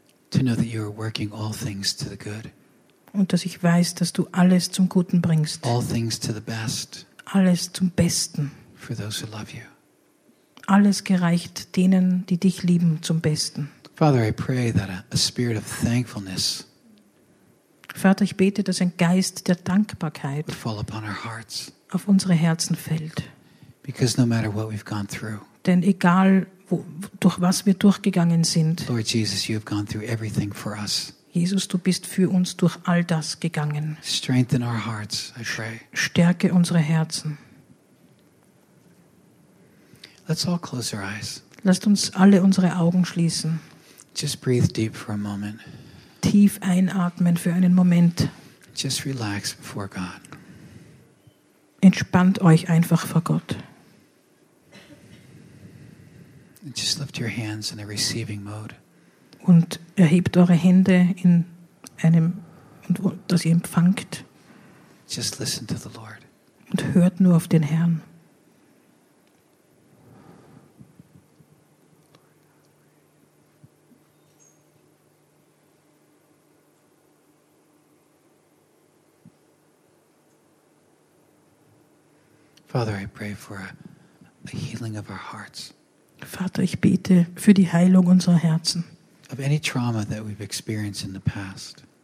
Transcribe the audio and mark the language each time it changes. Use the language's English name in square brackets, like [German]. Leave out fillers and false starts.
[English] To know that you are working all things to the good. [German] Und dass ich weiß, dass du alles zum Guten bringst. [English] All things to the best. [German] Alles zum Besten. [English] For those who love you. [German] Alles gereicht denen, die dich lieben, zum Besten. [English] Father, I pray that a spirit of thankfulness. [German] Vater, ich bete, dass ein Geist der Dankbarkeit [English] would fall upon our hearts. [German] Auf unsere Herzen fällt. [English] Because no matter what we've gone through. [German] Denn egal, durch was wir durchgegangen sind. [English] Lord Jesus, you have gone through everything for us. [German] Jesus, du bist für uns durch all das gegangen. [English] Strengthen our hearts, I pray. [German] Stärke unsere Herzen. [English] Let's all close our eyes. [German] Lasst uns alle unsere Augen schließen. [English] Just breathe deep for a moment. [German] Tief einatmen für einen Moment. [English] Just relax before God. [German] Entspannt euch einfach vor Gott. [English] Just lift your hands in a receiving mode. [German] Und erhebt eure Hände in einem, dass ihr empfangt. [English] Just listen to the Lord. [German] Und hört nur auf den Herrn. [English] Father, I pray for a healing of our hearts. [German] Vater, ich bete für die Heilung unserer Herzen. [English] Of any trauma that we've experienced in the past.